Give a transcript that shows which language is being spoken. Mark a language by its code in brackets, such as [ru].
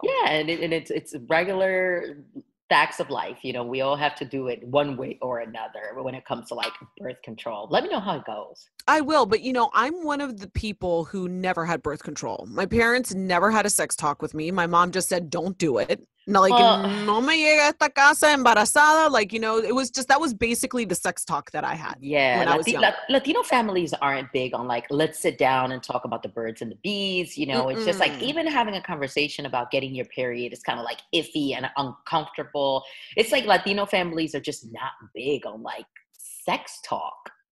[en] Yeah. And it's regular facts of life. You know, we all have to do it one way or another when it comes to like birth control. Let me know how it goes. I will. But you know, I'm one of the people who never had birth control. My parents never had a sex talk with me. My mom just said, don't do it. [es] No, like, no me llega esta casa embarazada. [en] Like, you know, it was just, that was basically the sex talk that I had. Yeah. When Latino families aren't big on like, let's sit down and talk about the birds and the bees. You know, it's just like, even having a conversation about getting your period is kind of like iffy and uncomfortable. It's like Latino families are just not big on like sex talk.